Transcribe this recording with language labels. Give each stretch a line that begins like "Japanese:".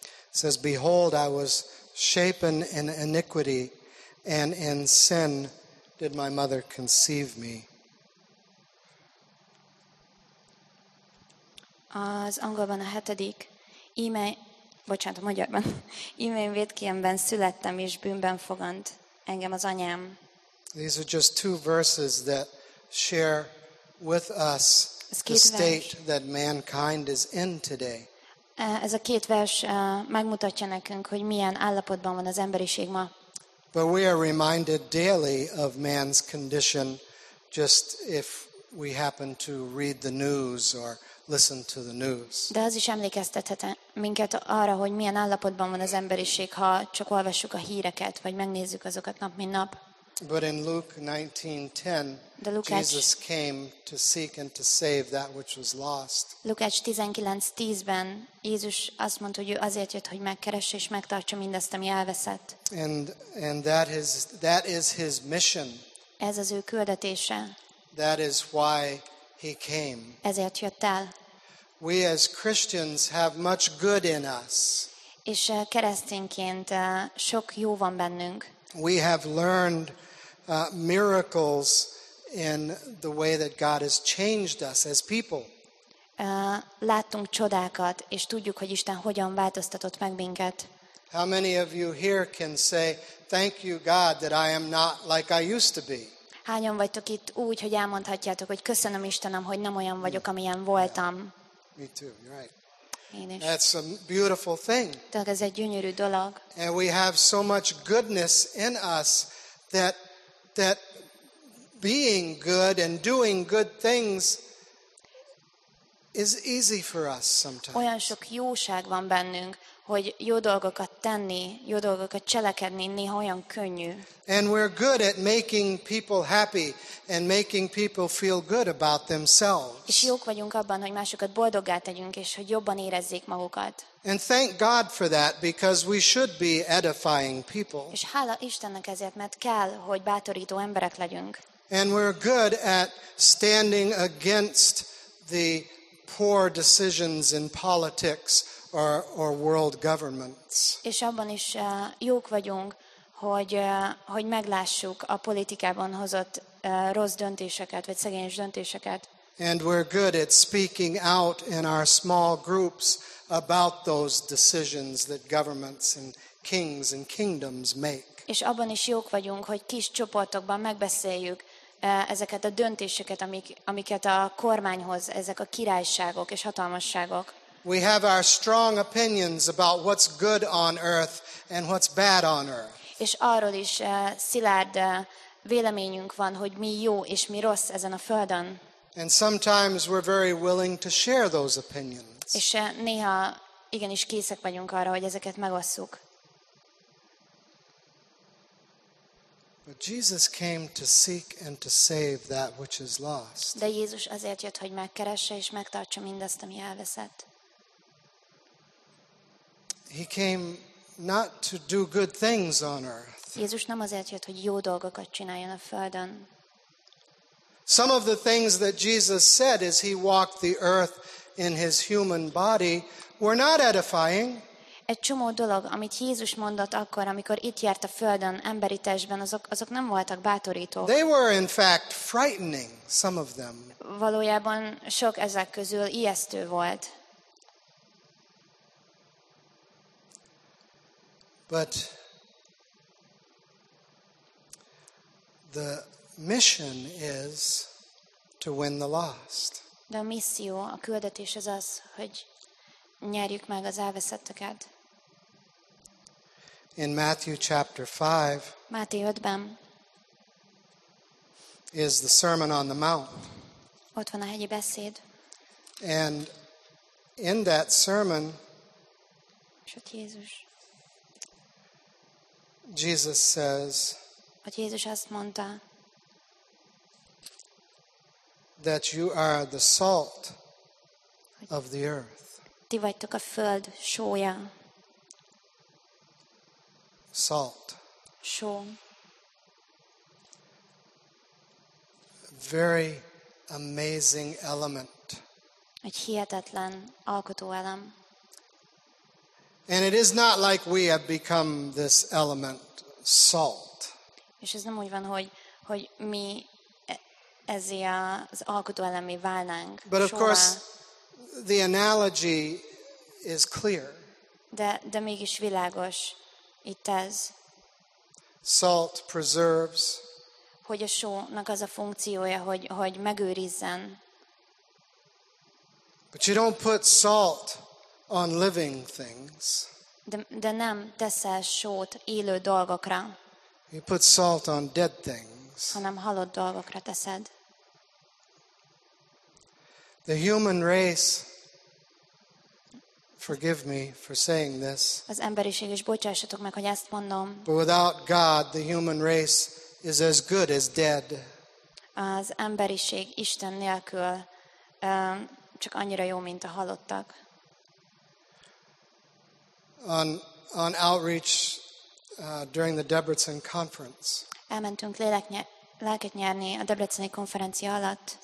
English: Says, behold, I was shapen in iniquity, and in sin did my mother conceive me.
Hungarian: Az angolban a 7. Íme, bocsánat, a magyarban. Íme én vétkiemben születtem, és bűnben fogant engem az anyám.
English: These are just two verses that share with us the state that mankind is in today.
Hungarian: Ez a két vers megmutatja nekünk, hogy milyen állapotban van az emberiség ma.
English: But we are reminded daily of man's condition just if we happen to read the news or listen to the news.
Hungarian: De az is emlékeztethet minket arra, hogy milyen állapotban van az emberiség, ha csak olvassuk a híreket, vagy megnézzük azokat nap, mint nap.
English: But in Luke 19:10, Jesus came to seek and to save that which was lost.
Hungarian: Lukács 19:10-ben Jézus azt mondta, hogy ő azért jött, hogy megkeresse és megtartsa mindazt, ami elveszett.
English: And that is his mission.
Hungarian: Ez az ő küldetése.
English: That is why he came.
Hungarian: Ezért jött el.
English: We as Christians have much good in us.
Hungarian: És keresztényként sok jó van bennünk.
English: We have learned miracles in the way that God has changed us as people.
Hungarian: Láttunk csodákat, és tudjuk, hogy Isten hogyan változtatott meg minket.
English: How many of you here can say, thank you God that I am not like I used to be?
Hungarian: Hányan vagytok itt úgy, hogy elmondhatjátok, hogy köszönöm Istenem, hogy nem olyan vagyok, amilyen voltam.
English: Me too, right. That's a beautiful thing.
Hungarian: De ez egy gyönyörű dolog.
English: And we have so much goodness in us that that being good and doing good things is easy for us sometimes.
Hungarian: Olyan sok jóság van bennünk, hogy jó dolgokat tenni, jó dolgokat cselekedni néha olyan könnyű.
English: And we're good at making people happy and making people feel good about themselves.
Hungarian: És jók vagyunk abban, hogy másokat boldoggá tegyünk, és hogy jobban érezzék magukat.
English: And thank God for that, because we should be edifying people.
Hungarian: És hála Istennek ezért, mert kell, hogy bátorító emberek legyünk.
English: And we're good at standing against the poor decisions in politics or world governments.
Hungarian: És abban is jók vagyunk, hogy meglássuk a politikában hozott rossz döntéseket vagy szegényes döntéseket.
English: And we're good at speaking out in our small groups about those decisions that governments and kings and kingdoms make.
Hungarian: És abban is jók vagyunk, hogy kis csoportokban megbeszéljük ezeket a döntéseket, amiket a kormányhoz ezek a királyságok és hatalmasságok.
English: We have our strong opinions about what's good on earth and what's bad on earth.
Hungarian: És arról is szilárd véleményünk van, hogy mi jó és mi rossz ezen a földön.
English: And sometimes we're very willing to share those opinions.
Hungarian: És néha igenis készek vagyunk arra, hogy ezeket megosszuk.
English: But Jesus came to seek and to save that which is lost.
Hungarian: De Jézus azért jött, hogy megkeresse és megtartsa mindazt, ami elveszett.
English: He came not to do good things on earth.
Hungarian: Jézus nem azért jött, hogy jó dolgokat csináljon a földön.
English: Some of the things that Jesus said as he walked the earth in his human body were not edifying.
Hungarian: Egy csomó dolog, amit Jézus mondott akkor, amikor itt járt a földön emberi testben, azok nem voltak bátorítók.
English: They were in fact frightening, some of them.
Hungarian: Valójában sok ezek közül ijesztő volt.
English: But the mission is to win the lost.
Hungarian: De a misszió, a küldetés az, hogy nyerjük meg az elveszetteket.
English: In Matthew chapter 5,
Hungarian: Matthew 5-ben
English: is the Sermon on the Mount.
Hungarian: Ott van a hegyi beszéd.
English: And in that sermon,
Hungarian: Jézus.
English: Jesus says,
Hungarian: ott Jézus azt mondta,
English: that you are the salt of the earth.
Hungarian: Ti vagytok a föld sója.
English: Salt.
Hungarian: Só.
English: Very amazing element.
Hungarian: Egy hihetetlen alkotó elem.
English: And it is not like we have become this element, salt.
Hungarian: És ez nem úgy van, hogy mi ezért az alkotó elemmé válnánk.
English: But of course, the analogy is clear.
Hungarian: De mégis világos. Itt ez.
English: Salt preserves.
Hungarian: Hogy a sónak az a funkciója, hogy megőrizzen.
English: But you don't put salt on living things.
Hungarian: De nem teszel sót élő dolgokra.
English: You put salt on dead things.
Hungarian: Hanem halott dolgokra teszed.
English: The human race, forgive me for saying this.
Hungarian: Az emberiség is, bocsássatok meg, hogy ezt mondom.
English: But without God, the human race is as good as dead.
Hungarian: Az emberiség Isten nélkül csak annyira jó, mint a halottak.
English: On outreach during the Debrecen conference.
Hungarian: Elmentünk lelket nyerni a debreceni konferencia alatt.